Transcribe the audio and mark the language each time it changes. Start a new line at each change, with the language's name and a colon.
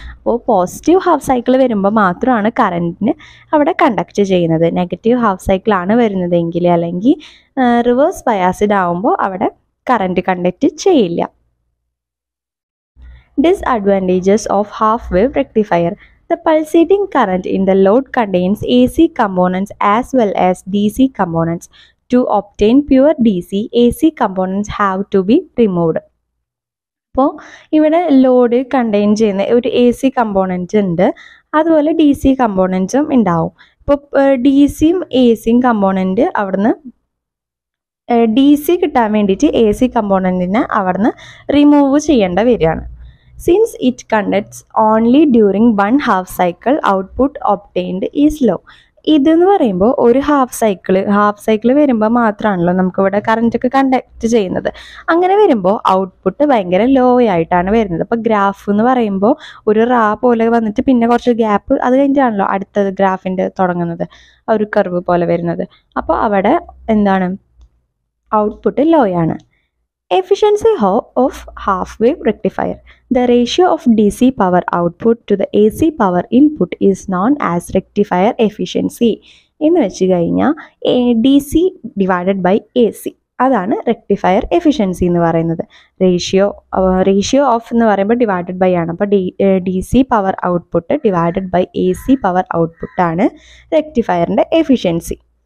Malayalam: അപ്പോൾ positive half cycle വരുമ്പോൾ മാത്രമാണ് കറൻറ്റിന് അവിടെ കണ്ടക്ട് ചെയ്യുന്നത്. നെഗറ്റീവ് ഹാഫ് സൈക്കിളാണ് വരുന്നതെങ്കിൽ, അല്ലെങ്കിൽ റിവേഴ്സ് ബയാസിഡ് ആകുമ്പോൾ അവിടെ കറൻറ്റ് കണ്ടക്ട് ചെയ്യില്ല.
English: Disadvantages of half wave rectifier. The pulsating current in the load contains AC components as well as DC components. To obtain pure DC, AC components have to be removed.
Malayalam: അപ്പോൾ ഇവിടെ load contain ചെയ്യുന്ന ഒരു A C component ഉണ്ട്, അതുപോലെ D C കമ്പോണൻസും ഉണ്ടാവും. ഇപ്പോൾ D സിയും A സിയും കമ്പോണൻ്റ് അവിടുന്ന് ഡി സി കിട്ടാൻ വേണ്ടിയിട്ട് എ സി കമ്പോണൻറ്റിനെ അവിടുന്ന് റിമൂവ് ചെയ്യേണ്ട വരികയാണ്.
English: Since it conducts only during one half cycle output obtained is low.
Malayalam: ഇതെന്ന് പറയുമ്പോൾ ഒരു ഹാഫ് സൈക്കിൾ വരുമ്പോൾ മാത്രമാണല്ലോ നമുക്കിവിടെ കറൻറ്റൊക്കെ കണ്ടക്ട് ചെയ്യുന്നത്. അങ്ങനെ വരുമ്പോൾ ഔട്ട്പുട്ട് ഭയങ്കര ലോ ആയിട്ടാണ് വരുന്നത്. അപ്പോൾ ഗ്രാഫ് എന്ന് പറയുമ്പോൾ ഒരു റാ പോലെ വന്നിട്ട് പിന്നെ കുറച്ച് ഗ്യാപ്പ്, അത് കഴിഞ്ഞിട്ടാണല്ലോ അടുത്തത് ഗ്രാഫിൻ്റെ തുടങ്ങുന്നത്, ഒരു കർവ് പോലെ വരുന്നത്. അപ്പോൾ അവിടെ എന്താണ്, ഔട്ട്പുട്ട് ലോ ആണ്.
English: Efficiency of half-wave rectifier. The ratio of DC power output to the AC power input is known as rectifier efficiency.
Malayalam: എന്ന് വെച്ച് കഴിഞ്ഞാൽ
English: DC divided by AC,
Malayalam: അതാണ് റെക്ടിഫയർ എഫിഷ്യൻസി എന്ന് പറയുന്നത്. റേഷ്യോ ഓഫ് എന്ന് പറയുമ്പോൾ ഡിവൈഡഡ് ബൈ ആണ്. അപ്പോൾ DC power output divided by AC power ഔട്ട്പുട്ടാണ് റെക്ടിഫയറിൻ്റെ efficiency.